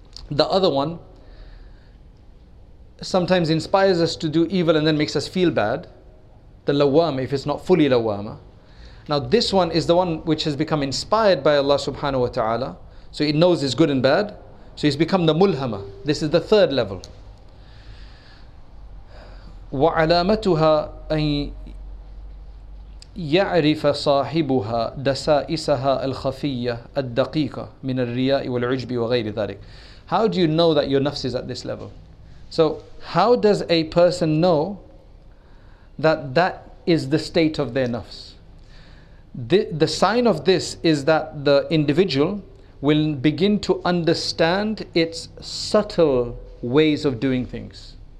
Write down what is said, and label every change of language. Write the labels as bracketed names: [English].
[English] The other one sometimes inspires us to do evil and then makes us feel bad. The lawama, if it's not fully lawama. Now this one is the one which has become inspired by Allah subhanahu wa ta'ala. So it knows it's good and bad. So it's become the mulhama. This is the third level. [Arabic] وَعَلَامَتُهَا أَن يعرف صاحبها دسائسها الخفية الدقيقة من الرياء والعجب وغير ذلك. [English] How do you know that your nafs is at this level? So how does a person know that that is the state of their nafs? The sign of this is that the individual will begin to understand its subtle ways of doing things.